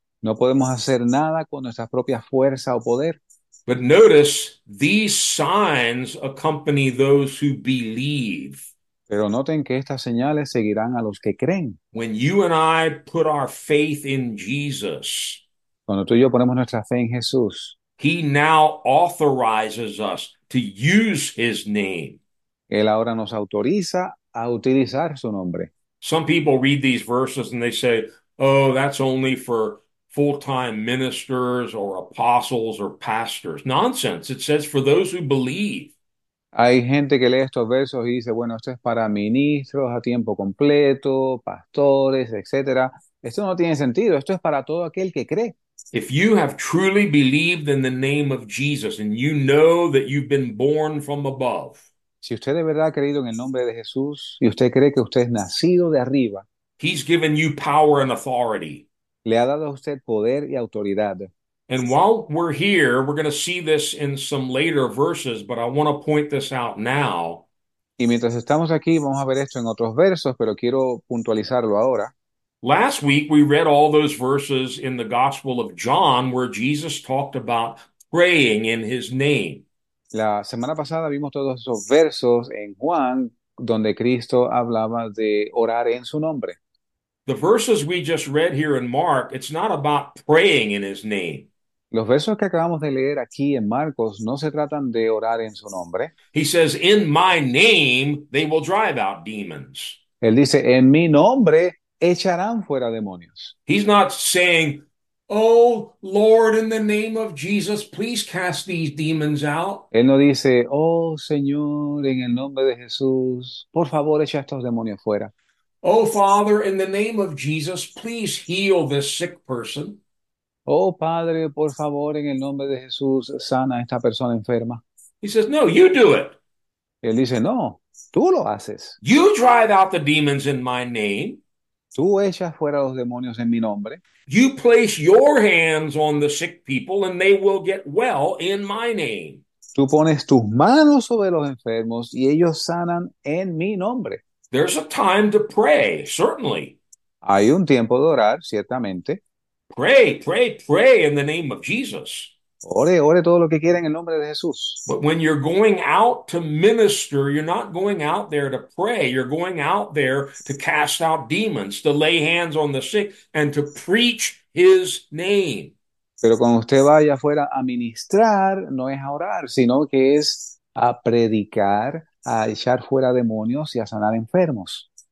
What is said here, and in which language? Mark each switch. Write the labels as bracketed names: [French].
[Spanish] No podemos hacer nada con nuestra propia fuerza o poder. [English] But notice these signs accompany those who believe. [Spanish] Pero noten que estas señales seguirán a los que creen. [English] When you and I put our faith in Jesus, [Spanish] Cuando tú y yo ponemos nuestra fe en Jesús, [English] he now authorizes us to use his name. [Spanish] Él ahora nos autoriza a utilizar su nombre. [English] Some people read these verses and they say, oh, that's only for full-time ministers or apostles or pastors. Nonsense. It says for those who believe. [Spanish] Hay gente que lee estos versos y dice, bueno, esto es para ministros a tiempo completo, pastores, etcétera. Esto no tiene sentido. Esto es para todo aquel que cree. [English] If you have truly believed in the name of Jesus and you know that you've been born from above, [Spanish] Si usted de verdad ha creído en el nombre de Jesús y usted cree que usted es nacido de arriba, [English] he's given you power and authority. [Spanish] le ha dado a usted poder y autoridad. [English] And while we're here, we're going to see this in some later verses, but I want to point this out now. [Spanish] Y mientras estamos aquí, vamos a ver esto en otros versos, pero quiero puntualizarlo ahora. [English] Last week we read all those verses in the Gospel of John where Jesus talked about praying in his name. [Spanish] La semana pasada vimos todos esos versos en Juan, donde Cristo hablaba de orar en su nombre. [English] The verses we just read here in Mark, it's not about praying in his name. [Spanish] Los versos que acabamos de leer aquí en Marcos no se tratan de orar en su nombre. [English] He says, in my name, they will drive out demons. [Spanish] Él dice, en mi nombre echarán fuera demonios. [English] He's not saying, oh Lord, in the name of Jesus, please cast these demons out. [Spanish] Él no dice, oh Señor, en el nombre de Jesús, por favor, echa estos demonios fuera. [English] Oh Father, in the name of Jesus, please heal this sick person. [Spanish] Oh Padre, por favor, en el nombre de Jesús, sana a esta persona enferma. [English] He says, no, you do it. [Spanish] Él dice, no, tú lo haces. [English] You drive out the demons in my name. [Spanish] Tú echas fuera los demonios en mi nombre. [English] You place your hands on the sick people and they will get well in my name. [Spanish] Tú pones tus manos sobre los enfermos y ellos sanan en mi nombre. [English] There's a time to pray, certainly. [Spanish] Hay un tiempo de orar, ciertamente. [English] Pray, pray, pray in the name of Jesus. [Spanish] Ore, ore todo lo que quiera en el nombre de Jesús. [English] But when you're going out to minister, you're not going out there to pray. You're going out there to cast out demons, to lay hands on the sick, and to preach his name. [Spanish] Pero cuando usted vaya afuera a ministrar, no es a orar, sino que es a predicar, a echar fuera demonios y a sanar enfermos.